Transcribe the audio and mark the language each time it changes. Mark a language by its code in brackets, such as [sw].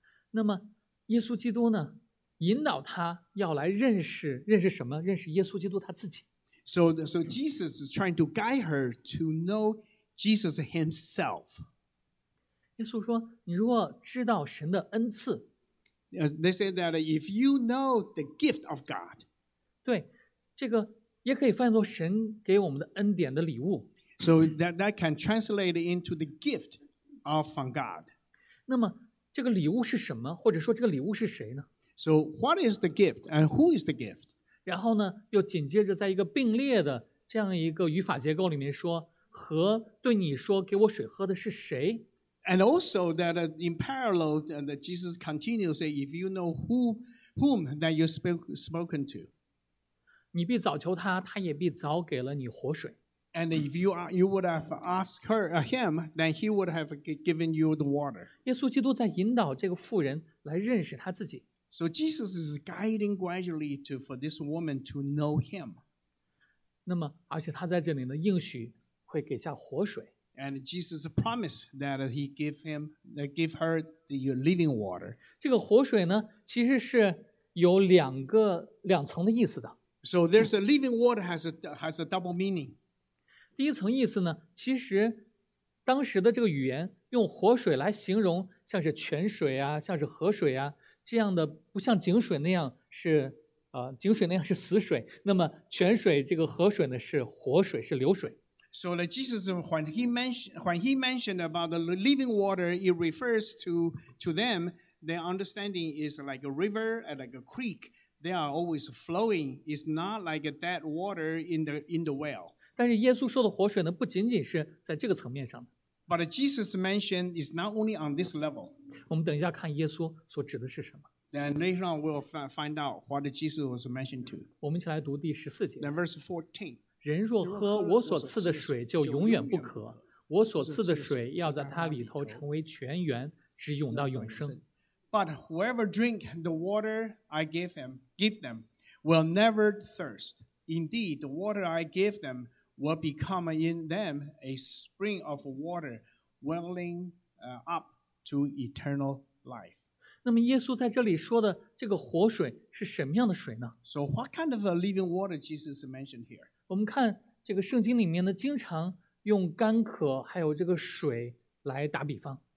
[zh] 那么耶稣基督呢，引导他要来认识什么？认识耶稣基督他自己。 [en] So Jesus is trying to guide her to know Jesus himself. [zh] 耶稣说，你如果知道神的恩赐。 [en] They say that if you know the gift of God. [zh] 对，这个也可以翻译作神给我们的恩典的礼物。 [en] So that can translate into the gift of from God. [zh] 那么这个礼物是什么？或者说这个礼物是谁呢？ [en] So what is the gift and who is the gift? [zh] 然后呢，又紧接着在一个并列的这样一个语法结构里面说，和对你说给我水喝的是谁 [en] ？And also that in parallel, and Jesus continues say, if you know whom that you spoken to, [zh] 你必早求他，他也必早给了你活水。 [en] And if you would have asked him, then he would have given you the water. [zh] 耶稣基督在引导这个妇人来认识他自己。 [en] So Jesus is guiding gradually for this woman to know him. [zh] 那么而且他在这里呢应许会给下活水。 [en] And Jesus promised that he give her the living water. [zh] 这个活水呢其实是有两层的意思的。 [en] So there's a living water has a double meaning. [zh] 第一层意思呢其实当时的这个语言用活水来形容像是泉水啊像是河水啊。这样的不像井水那样是井水那样是死水，那么泉水这个河水呢是活水是流水。 [en] So the Jesus when he mentioned about the living water, it refers to them. Their understanding is like a river and like a creek. They are always flowing. It's not like that water in the well. [zh] 但是耶稣说的活水呢，不仅仅是在这个层面上。 [en] But Jesus mentioned is not only on this level. [zh] 我们等一下看耶稣所指的是什么。 [en] Then later on we'll find out what Jesus was mentioned to. [zh] 我们一起来读第十四节。 [en] Then verse 14. [zh] 人若喝我所赐的水就永远不渴，我所赐的水要在他里头成为泉源，直涌到永生。 [en] But whoever drink the water I give them will never thirst. Indeed, the water I give them will become in them a spring of water welling up to eternal life. [zh] 那么耶稣在这里说的这个活水是什么样的水呢？ [en] So what kind of a living water Jesus mentioned here? [zh] 我们看这个圣经里面呢，经常用干渴还有这个水来打比方。